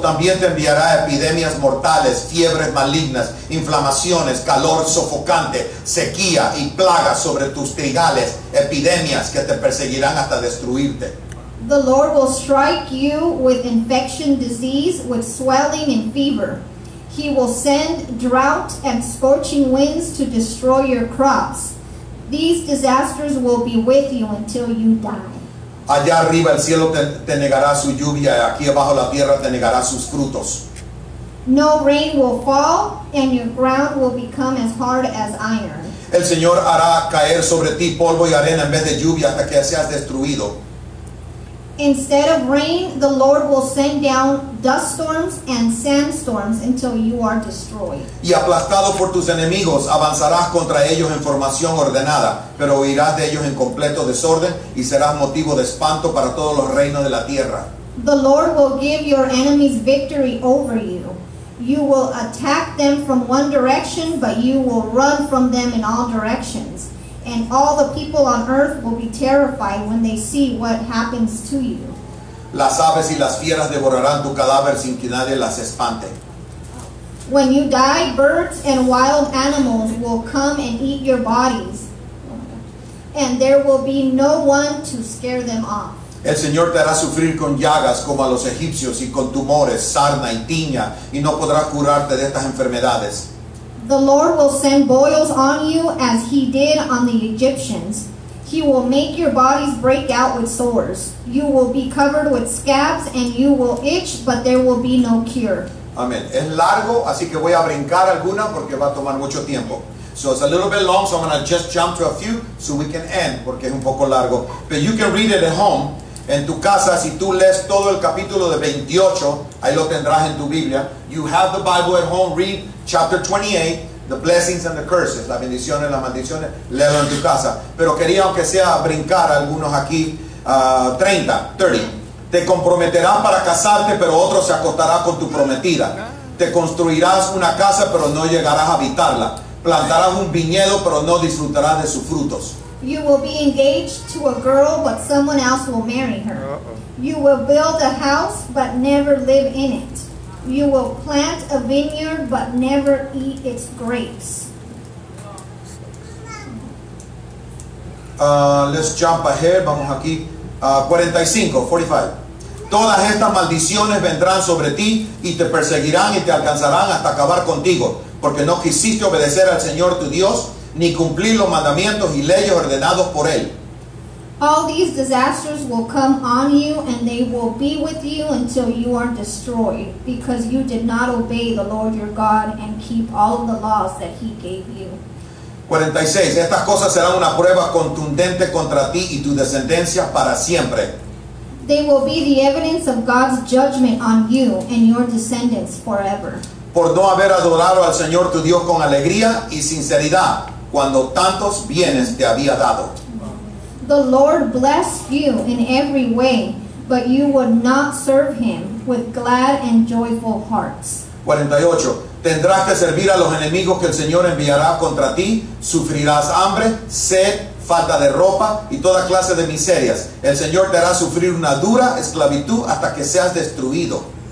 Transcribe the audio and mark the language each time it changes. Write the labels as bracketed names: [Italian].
[Spanish] También te enviará epidemias mortales, fiebres malignas, inflamaciones, calor sofocante, sequía y plagas sobre tus trigales, epidemias que te perseguirán hasta destruirte. [English] The Lord will strike you with infection disease, with swelling and fever. He will send drought and scorching winds to destroy your crops. These disasters will be with you until you die. [Spanish] Allá arriba el cielo te negará su lluvia, y aquí abajo la tierra te negará sus frutos. [English] No rain will fall, and your ground will become as hard as iron. [Spanish] El Señor hará caer sobre ti polvo y arena en vez de lluvia hasta que seas destruido. [English] Instead of rain, the Lord will send down dust storms and sandstorms until you are destroyed. [Spanish] Y aplastado por tus enemigos, avanzarás contra ellos en formación ordenada, pero huirás de ellos en completo desorden y serás motivo de espanto para todos los reinos de la tierra. [English] The Lord will give your enemies victory over you. You will attack them from one direction, but you will run from them in all directions. And all the people on earth will be terrified when they see what happens to you. [Spanish] Las aves y las fieras devorarán tu cadáver sin que nadie las espante. [English] When you die, birds and wild animals will come and eat your bodies, and there will be no one to scare them off. [Spanish] El Señor te hará sufrir con llagas como a los egipcios, y con tumores, sarna y tiña, y no podrás curarte de estas enfermedades. [English] The Lord will send boils on you as He did on the Egyptians. He will make your bodies break out with sores. You will be covered with scabs and you will itch, but there will be no cure. [Spanish] Amén. Es largo, así que voy a brincar alguna porque va a tomar mucho tiempo. [English] So it's a little bit long, so I'm going to just jump to a few so we can end, [Spanish] porque es un poco largo. [English] But you can read it at home. [Spanish] En tu casa, si tú lees todo el capítulo de 28, ahí lo tendrás en tu Biblia. [English] You have the Bible at home, read chapter 28, the blessings and the curses, [Spanish] las bendiciones, las maldiciones, léelo en tu casa. Pero quería, aunque sea, brincar algunos aquí, 30. Te comprometerás para casarte, pero otro se acostará con tu prometida. Te construirás una casa, pero no llegarás a habitarla. Plantarás un viñedo, pero no disfrutarás de sus frutos. [English] You will be engaged to a girl, but someone else will marry her. You will build a house, but never live in it. You will plant a vineyard, but never eat its grapes. Let's jump ahead. [Spanish] Vamos aquí. [English] 45. [Spanish] Todas estas maldiciones vendrán sobre ti y te perseguirán y te alcanzarán hasta acabar contigo, porque no quisiste obedecer al Señor tu Dios ni cumplir los mandamientos y leyes ordenados por él. [English] All these disasters will come on you and they will be with you until you are destroyed because you did not obey the Lord your God and keep all the laws that he gave you. 46. [Spanish] Estas cosas serán una prueba contundente contra ti y tu descendencia para siempre. [English] They will be the evidence of God's judgment on you and your descendants forever. [Spanish] Por no haber adorado al Señor tu Dios con alegría y sinceridad cuando tantos bienes te había dado. [English] The Lord blessed you in every way, but you would not serve him with glad and joyful hearts. 48. [Spanish] Tendrás que servir a los enemigos que el Señor enviará contra ti. Sufrirás hambre, sed, falta de ropa y toda clase de miserias. El Señor te hará sufrir una dura esclavitud hasta que seas destruido.